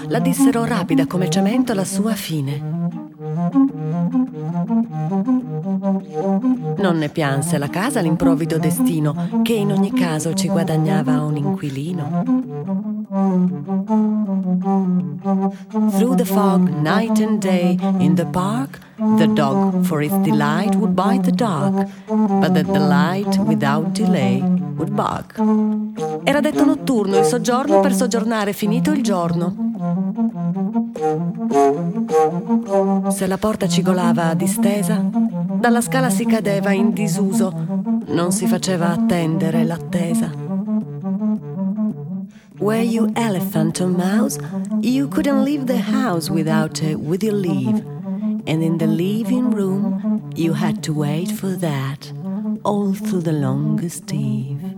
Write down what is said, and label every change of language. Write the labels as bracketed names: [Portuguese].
[Italian] La dissero rapida come cemento la sua fine. Non ne pianse la casa l'improvvido destino, che in ogni caso ci guadagnava un inquilino. [English] Through the fog, night and day, in the park, the dog for its delight would bite the dog, but the delight without delay would bark. [Italian] Era detto notturno il soggiorno per soggiornare finito il giorno. Se la porta cigolava distesa, dalla scala si cadeva in disuso, non si faceva attendere l'attesa. [English] Were you elephant or mouse? You couldn't leave the house without a with your leave. And in the living room, you had to wait for that all through the longest eve.